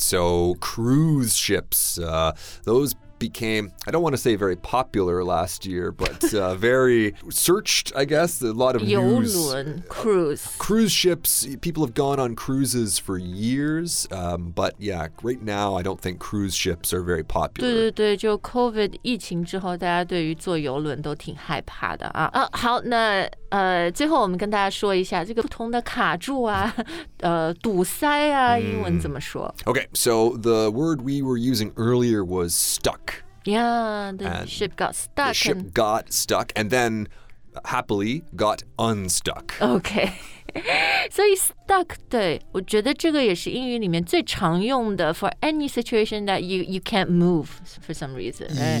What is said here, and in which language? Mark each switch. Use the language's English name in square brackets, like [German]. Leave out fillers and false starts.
[English] So cruise ships, those became, I don't want to say very popular last year, but very searched, I guess, a lot of [Chinese] 游 [English] news. [Chinese] 游轮 cruise. [English] Cruise ships, people have gone on cruises for years, but yeah, right now, I don't think cruise ships are very popular. [Chinese] 对对对，就 COVID 疫情之后，大家对于坐游轮都挺害怕的啊。好，那最后我们跟大家说一下这个不同的卡住啊堵塞啊英文怎么说 [English] Okay, so the word we were using earlier was stuck. Yeah, the ship got stuck. The ship got stuck and then happily got unstuck. Okay, so stuck, [Chinese] 对我觉得这个也是英语里面最常用的 [English] for any situation that you can't move for some reason.、Right?